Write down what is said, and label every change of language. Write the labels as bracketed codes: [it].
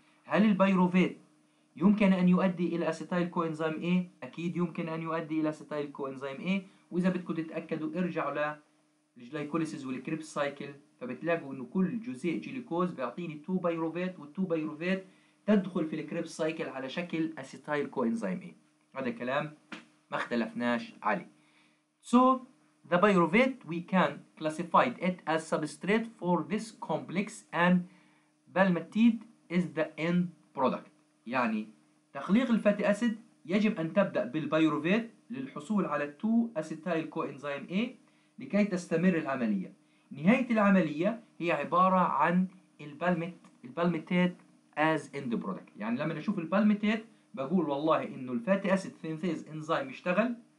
[ar] هل البايروفيت يمكن أن يؤدي إلى أسيتايل كوإنزيم A؟ أكيد يمكن أن يؤدي إلى أسيتايل كوإنزيم A، وإذا بدكم تتأكدوا ارجعوا للجلايكوليسيز والكريبس سايكل، فبتلاقوا انه كل جزء جليكوز بيعطيني 2 بايروفيت وال2 بايروفيت تدخل في الكريبس سايكل على شكل اسيتايل كوانزيم A. هذا كلام ما اختلفناش عليه. [en] So the pyruvate we can classify it as substrate for this complex and palmitate is the end product. [ar] يعني تخليق الفاتي اسيد يجب ان تبدا بالبايروفيت للحصول على 2 اسيتايل كوانزيم A لكي تستمر العملية. نهاية العملية هي عبارة عن البالميتات [en] as end product. [ar] يعني لما نشوف البالميتات بقول والله انه الفاتي اسيد سينثيز انزيم اشتغل،